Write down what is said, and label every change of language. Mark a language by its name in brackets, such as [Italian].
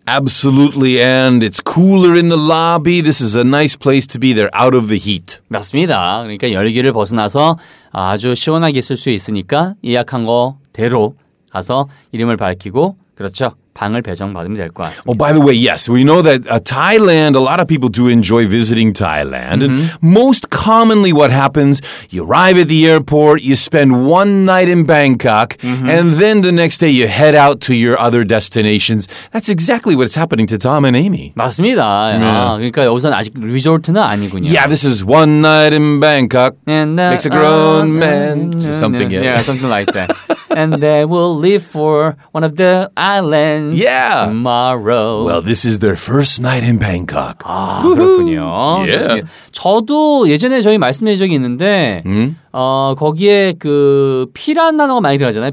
[English] Absolutely, and it's cooler in the lobby. This is a nice place to be. They're out of the heat. [Korean] 맞습니다. 그러니까 열기를 벗어나서 아주 시원하게 있을 수 있으니까 예약한 거대로 가서 이름을 밝히고 그렇죠. 방을 배정받으면 될 것 같습니다. [English] Oh, by the way, yes. We know that Thailand, a lot of people do enjoy visiting Thailand. Mm-hmm. And most commonly what happens, you arrive at the airport, you spend one night in Bangkok, mm-hmm. and then the next day you head out to your other destinations. That's exactly what's happening to Tom and Amy. [Korean] 맞습니다. Yeah. 아, 그러니까 여기서는 아직 리조트는 아니군요. [English] Yeah, this is one night in Bangkok. And makes a grown man. Something, yeah. Yeah, something like that. And they will leave for one of the islands yeah. tomorrow. Well, this is their first night in Bangkok. [Korean] 아, 그렇군요. [English] Yeah. [Korean] 저도 예전에 저희 말씀드린 적이 있는데 거기에 그 P라는 단어가 많이 들어가잖아요.